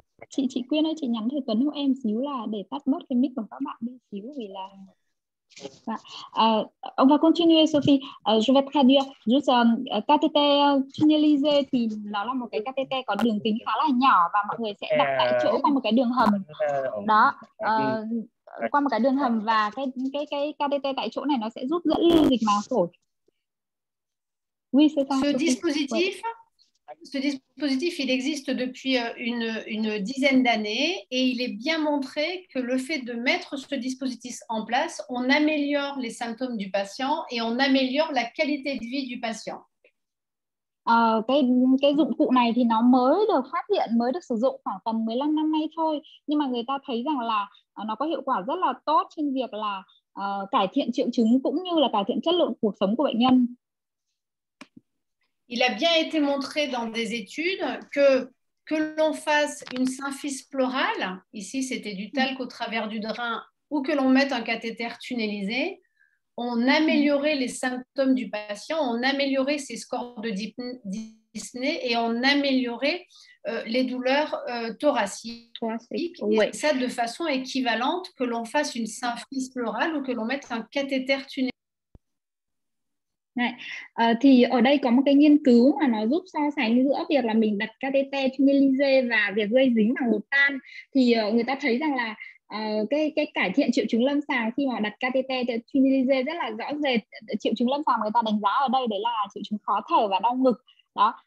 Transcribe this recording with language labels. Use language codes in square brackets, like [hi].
[vi] Chị Quyên ơi, chị nhắn thầy Tuấn hộ em xíu là để tắt bớt cái mic của các bạn đi xíu vì là [fr] on va continuer Sophie, je vais traduire juste cathéter tunnelisé [vi] thì nó là một cái cathéter có đường kính khá là nhỏ và mọi người sẽ đặt tại chỗ qua một cái đường hầm đó, qua một cái đường hầm và cái cathéter tại chỗ này nó sẽ giúp dẫn lưu dịch màng phổi. [fr] Oui, c'est ça, ce dispositif ouais. Ce dispositif il existe depuis une dizaine d'années et il est bien montré que le fait de mettre ce dispositif en place, on améliore les symptômes du patient et on améliore la qualité de vie du patient. [vi] Cái dụng cụ này thì nó mới được phát hiện, mới được sử dụng khoảng tầm 15 năm nay thôi, nhưng mà người ta thấy rằng là nó có hiệu quả rất là tốt trên việc là cải thiện triệu chứng cũng như là cải thiện chất lượng cuộc sống của bệnh nhân. [fr] Il a bien été montré dans des études que l'on fasse une symphyse pleurale, ici c'était du talc au travers du drain, ou que l'on mette un cathéter tunnelisé, on améliorait les symptômes du patient, on améliorait ses scores de dyspnée et on améliorait les douleurs thoraciques. Oui. Et ça de façon équivalente que l'on fasse une symphyse pleurale ou que l'on mette un cathéter tunnelisé. [vi] Này. Thì ở đây có một cái nghiên cứu mà nó giúp so sánh giữa việc là mình đặt cathéter tunnelisé và việc gây dính bằng bột tan. Thì người ta thấy rằng là cái cải thiện triệu chứng lâm sàng khi mà đặt cathéter tunnelisé rất là rõ rệt. Triệu chứng lâm sàng người ta đánh giá ở đây đấy là triệu chứng khó thở và đau ngực. Đó.